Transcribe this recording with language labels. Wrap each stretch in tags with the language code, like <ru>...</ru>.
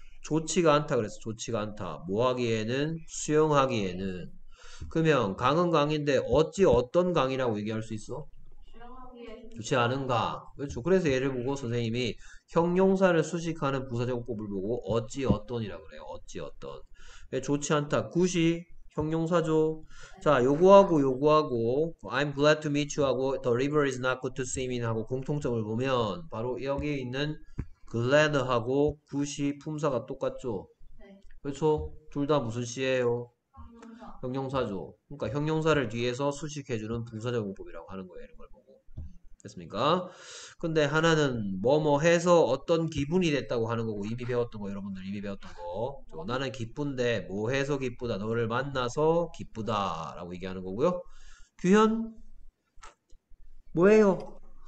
<ko>좋지가 않다 그랬어. 좋지가 않다. 뭐 하기에는? 수영하기에는. 그러면 강은 강인데 어찌 어떤 강이라고 얘기할 수 있어? 좋지 않은 강. 그렇죠. 그래서 예를 보고 선생님이 형용사를 수식하는 부사정법을 보고 어찌 어떤이라 그래요. 어찌 어떤. 좋지 않다. 굿이 형용사죠. 자, 요거하고</ko> <en>I'm glad to meet you</en> <ko>하고</ko> <en>The river is not good to swim in</en> <ko>하고 공통점을 보면 바로 여기에 있는 glad 하고 굿이 품사가 똑같죠. 그렇죠. 둘다 무슨 시예요? 형용사죠. 그러니까 형용사를 뒤에서 수식해주는 부사정용법이라고 하는 거예요. 이런 걸 보고. 됐습니까? 근데 하나는 뭐뭐 해서 어떤 기분이 됐다고 하는 거고, 이미 배웠던 거, 여러분들 이미 배웠던 거. 나는 기쁜데 뭐 해서 기쁘다. 너를 만나서 기쁘다라고 얘기하는 거고요. 규현? 뭐예요?</ko>